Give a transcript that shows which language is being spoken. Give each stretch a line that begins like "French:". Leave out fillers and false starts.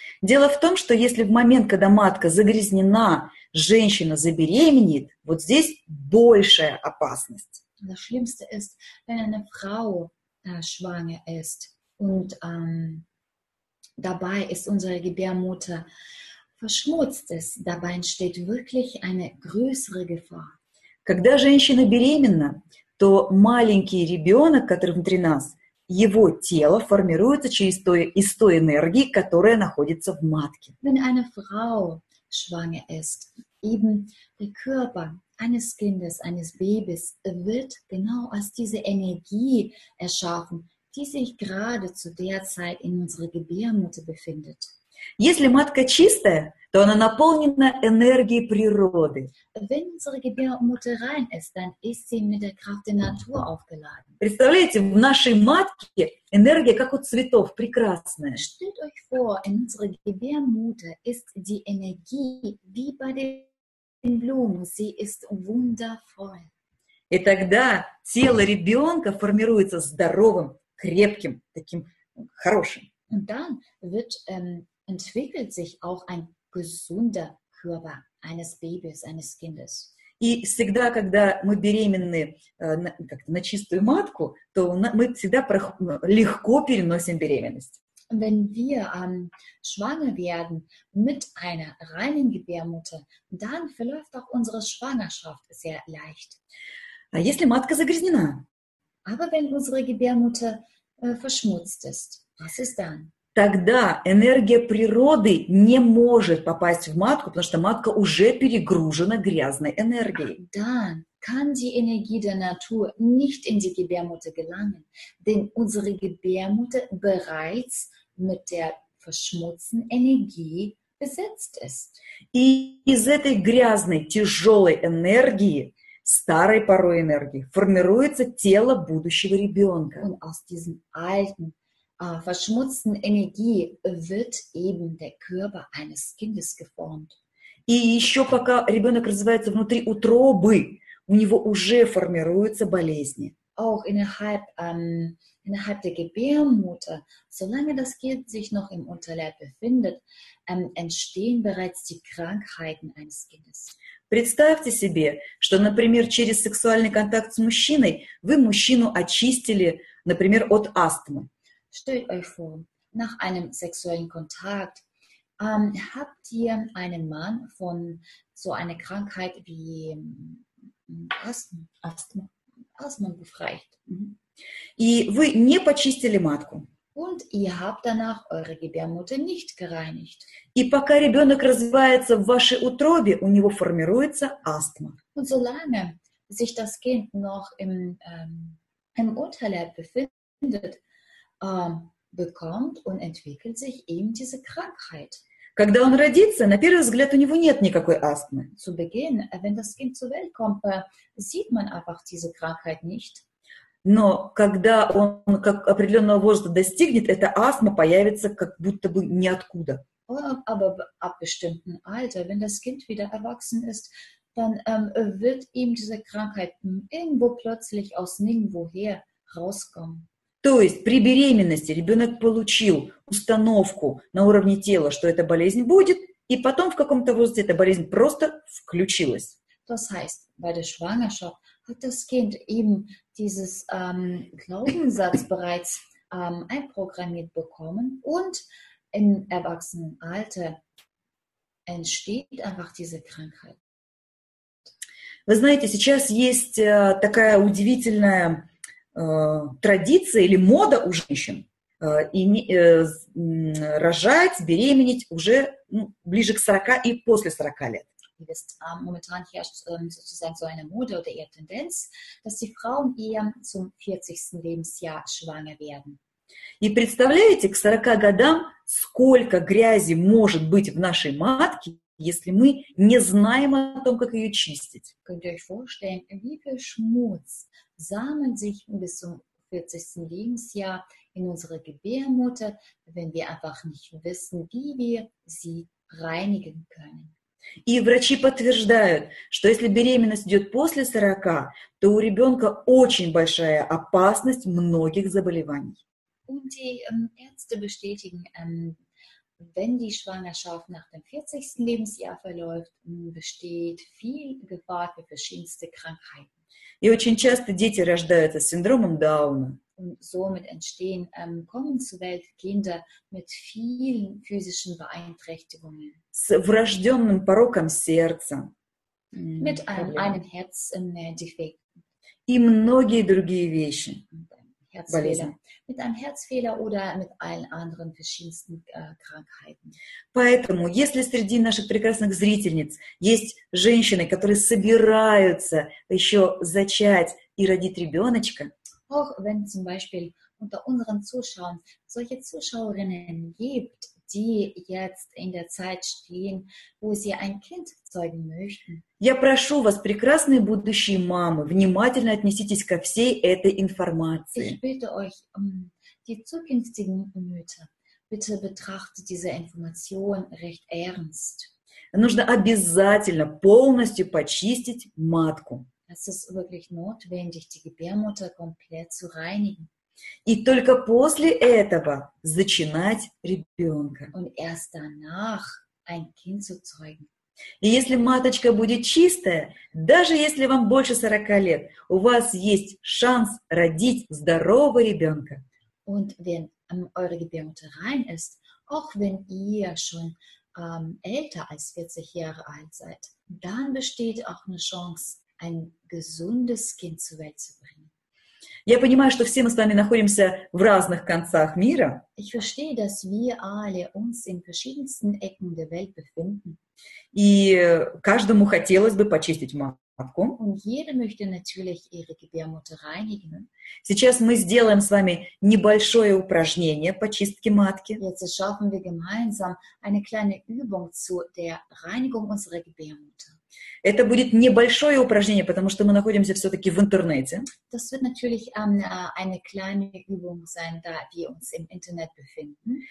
Russian: Дело в том, что если в момент, когда матка загрязнена, женщина забеременеет, вот здесь большая опасность.
German: Das Schlimmste ist, wenn eine Frau schwanger ist und dabei ist unsere Gebärmutter verschmutzt ist, dabei entsteht wirklich eine größere Gefahr.
Russian: Когда женщина беременна, то маленький ребенок, который внутри нас, его тело формируется через той энергии, которая находится в матке.
German: Wenn eine Frau schwanger ist, eben der Körper eines Kindes, eines Babys wird genau aus dieser Energie erschaffen, die sich gerade zu der Zeit in unserer Gebärmutter befindet.
Russian: Если матка чистая, то она наполнена энергией природы.
German: Wenn unsere Gebärmutter rein ist, dann ist sie mit der Kraft der Natur aufgeladen.
Russian: Представляете, в нашей матке энергия как у цветов, прекрасная.
German: Stellt euch vor, in unserer Gebärmutter ist die Energie wie bei den Blumen. Sie ist wundervoll.
Russian: И тогда тело ребенка формируется здоровым, крепким, таким хорошим.
German: Und dann wird entwickelt sich auch ein gesunder Körper eines Babys, eines Kindes.
Russian: И всегда, когда мы беременны на чистую матку, то мы всегда легко переносим беременность.
German: Wenn wir schwanger werden mit einer reinen Gebärmutter, dann verläuft auch unsere Schwangerschaft sehr leicht.
Russian: А если матка загрязнена?
German: Aber wenn unsere Gebärmutter verschmutzt ist, was ist dann?
Russian: Тогда энергия природы не может попасть в матку, потому что матка уже перегружена грязной энергией.
German: Dann kann die Energie der Natur nicht in die Gebärmutter gelangen, denn unsere Gebärmutter bereits mit der verschmutzten Energie besetzt ist.
Russian: И из этой грязной, тяжелой энергии, старой порой энергии, формируется тело будущего ребенка.
German: Und aus diesem alten verschmutzten Energie wird eben der Körper eines Kindes geformt.
Russian: И еще пока ребенок развивается внутри утробы, у него уже формируются болезни.
German: Auch innerhalb der Gebärmutter, solange das Kind sich noch im Unterleib befindet, entstehen bereits die Krankheiten eines Kindes.
Russian: Представьте себе, что, например, через сексуальный контакт с мужчиной вы мужчину очистили, например, от астмы.
German: Stellt euch vor, nach einem sexuellen Kontakt habt ihr einen Mann von so einer Krankheit wie Asthma befreit.
Russian: И вы не почистили матку.
German: Und ihr habt danach eure Gebärmutter nicht gereinigt.
Russian: И пока ребенок развивается в вашей утробе, у него формируется астма.
German: Und solange sich das Kind noch im Unterleib befindet, bekommt und entwickelt sich eben diese Krankheit.
Russian: Когда он родится, на первый взгляд у него нет никакой астмы.
German: Zu Beginn, wenn das Kind zur Welt kommt, sieht man einfach diese Krankheit nicht.
Russian: Но когда он как определенного возраста достигнет, эта астма появится как будто бы ниоткуда.
German: Aber ab bestimmten Alter, wenn das Kind wieder erwachsen ist, dann wird ihm diese Krankheit irgendwo plötzlich aus nirgendwoher rauskommen.
Russian: То есть при беременности ребенок получил установку на уровне тела, что эта болезнь будет, и потом в каком-то возрасте эта болезнь просто включилась.
German: Das heißt, bei der Schwangerschaft hat das Kind eben dieses Glaubenssatz bereits einprogrammiert bekommen und im Erwachsenenalter entsteht einfach diese Krankheit.
Russian: Вы знаете, сейчас есть такая удивительная традиция или мода у женщин рожать, беременеть уже ближе к 40 и после 40 лет.
German: Momentan herrscht sozusagen so eine Mode oder eher Tendenz, dass die Frauen eher zum 40. Lebensjahr schwanger werden.
Russian: И представляете, к 40 годам сколько грязи может быть в нашей матке, если мы не знаем о том, как ее чистить.
German: Könnt ihr euch vorstellen, wie viel Schmutz sammelt sich bis zum 40. Lebensjahr in unserer Gebärmutter, wenn wir einfach nicht wissen, wie wir sie reinigen können.
Russian: И врачи подтверждают, что если беременность идет после 40, то у ребенка очень большая опасность многих заболеваний.
German: Und die Ärzte bestätigen, wenn die Schwangerschaft nach dem 40. Lebensjahr verläuft, besteht viel Gefahr für verschiedenste Krankheiten.
Russian: И очень часто дети рождаются с синдромом Дауна.
German: Und somit entstehen, kommen zur Welt Kinder mit vielen physischen Beeinträchtigungen.
Russian: С врожденным пороком сердца.
German: Mit einem Herzdefekt.
Russian: И многие другие вещи.
German: Herzfehler. Mit einem Herzfehler oder mit allen anderen verschiedensten Krankheiten.
Russian: Поэтому, если среди наших прекрасных зрительниц есть женщины, которые собираются еще зачать и родить ребеночка,
German: auch wenn zum Beispiel unter unseren Zuschauern solche Zuschauerinnen gibt, die jetzt in der Zeit stehen, wo sie ein Kind zeugen möchten.
Russian: Я прошу вас, прекрасные будущие мамы, внимательно отнеситесь ко всей этой информации.
German: Ich bitte euch, die zukünftigen Mütter, bitte betrachtet diese Information recht ernst.
Russian: Нужно обязательно полностью почистить матку.
German: Es ist wirklich notwendig, die Gebärmutter komplett zu reinigen.
Russian: И только после этого зачинать ребенка.
German: Und erst danach ein Kind zu zeugen.
Russian: И если маточка будет чистая, даже если вам больше 40 лет, у вас есть шанс родить здорового ребенка.
German: Und wenn eure Gebärmutter rein ist, auch wenn ihr schon älter als 40 Jahre alt seid, dann besteht auch eine Chance, ein gesundes Kind zur Welt zu bringen.
Russian: Я понимаю, что все мы с вами находимся в разных концах мира.
German: Ich verstehe, dass wir alle uns in verschiedensten Ecken der Welt befinden.
Russian: И каждому хотелось бы почистить матку.
German: Und jeder möchte natürlich ihre Gebärmutter reinigen.
Russian: Сейчас мы сделаем с вами небольшое упражнение по чистке матки.
German: Jetzt schaffen wir gemeinsam eine kleine Übung zu der Reinigung unserer Gebärmutter.
Russian: Это будет небольшое упражнение, потому что мы находимся все-таки в интернете.
German: Das wird natürlich eine kleine Übung sein, da wir uns im Internet befinden.